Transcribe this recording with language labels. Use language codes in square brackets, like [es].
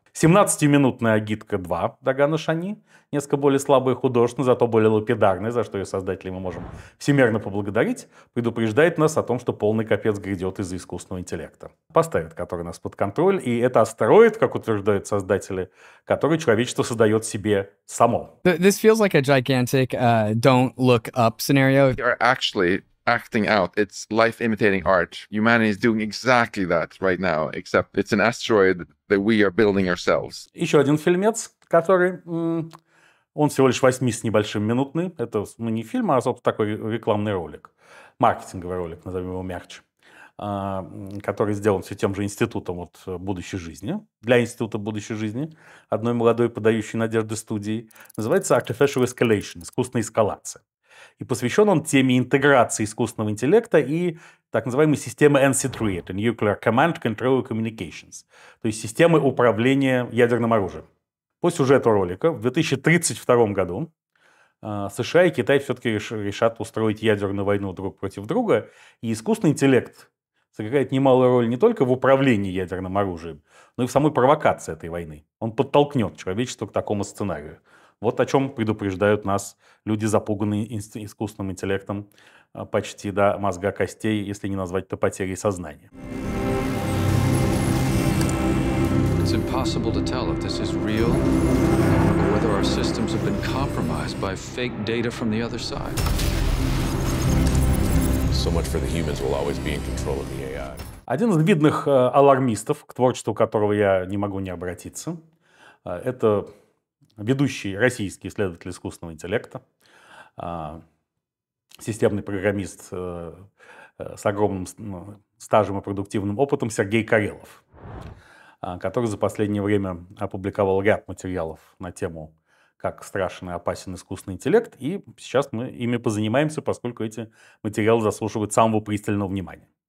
[ru] 17-минутная агитка 2 Дагана Шани, несколько более слабая и художественная, зато более лапидарная, за что ее создатели мы можем всемерно поблагодарить, предупреждает нас о том, что полный капец грядет из-за искусственного интеллекта. Поставит, который нас под контроль, и это астероид, как утверждают создатели, который человечество создает себе само. [en] This feels like a gigantic don't look up scenario. You're actually acting out. It's life imitating art. Humanity is doing exactly that right now, except it's an asteroid that we are building ourselves. [ru] Еще один фильмец, который он всего лишь 8 с небольшим минутный. Это, ну, не фильм, а собственно такой рекламный ролик, маркетинговый ролик, назовем его мягче. который сделан все тем же институтом вот, будущей жизни, для института будущей жизни, одной молодой подающей надежды студии, называется Artificial Escalation, искусственная эскалация. И посвящен он теме интеграции искусственного интеллекта и так называемой системы NC3, это Nuclear Command Control and Communications, то есть системы управления ядерным оружием. По сюжету ролика, в 2032 году США и Китай все-таки решат устроить ядерную войну друг против друга, и искусственный интеллект сыграет немалую роль не только в управлении ядерным оружием, но и в самой провокации этой войны. Он подтолкнет человечество к такому сценарию. Вот о чем предупреждают нас люди, запуганные искусственным интеллектом почти до мозга костей, если не назвать это потерей сознания. [en] It's impossible to tell if this is real or whether our systems have been compromised by fake data from the other side. So much for the humans will always be in control of the AI. [ru] Один из видных алармистов, к творчеству которого я не могу не обратиться, это ведущий российский исследователь искусственного интеллекта, системный программист с огромным стажем и продуктивным опытом Сергей Карелов, который за последнее время опубликовал ряд материалов на тему, как страшен и опасен искусственный интеллект, и сейчас мы ими позанимаемся, поскольку эти материалы заслуживают самого пристального внимания.